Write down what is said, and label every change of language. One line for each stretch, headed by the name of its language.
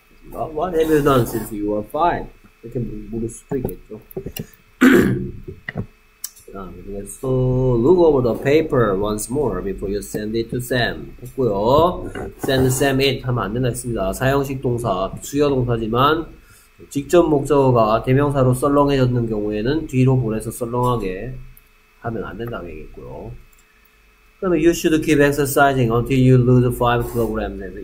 English: What have you done since you were five?
Korean: 이렇게 물을 수도 있겠죠. 그래서
English: look over the paper once more before you send it to Sam
Korean: 했고요.
English: Send Sam it
Korean: 하면 안 된다 했습니다. 사용식 동사, 수여 동사지만 직접 목적어가 대명사로 썰렁해졌는 경우에는 뒤로 보내서 썰렁하게 하면 안 된다고 얘기했고요. 그다음에
English: you should keep exercising until you lose 5kg.